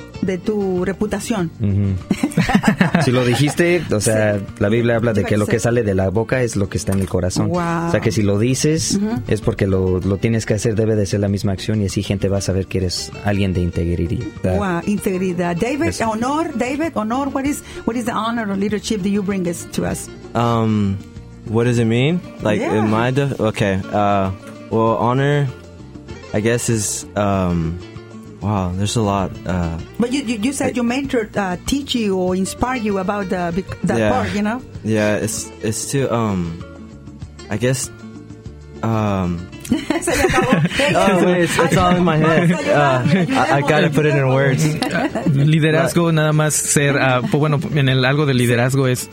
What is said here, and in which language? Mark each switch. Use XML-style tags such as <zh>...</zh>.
<es>De tu reputación. Si lo dijiste, o sea, la Biblia habla de que lo que sale de la boca es lo que está en el corazón. Wow. O sea, que si lo dices, es porque lo tienes que hacer, debe de ser la misma acción y así gente va a saber que eres alguien de integridad. Wow, integridad. David, eso.</es> <en>Honor, what is the honor of leadership that you bring us to us? What does it mean? Like, yeah. Honor, I guess, is... wow, there's a lot. But you said your mentor teach you or inspire you about that part, you know? Yeah, it's to, I guess, it's all in my head. I gotta put it in words.</en> <es>Liderazgo, nada más ser, bueno, en el algo de liderazgo es...</es>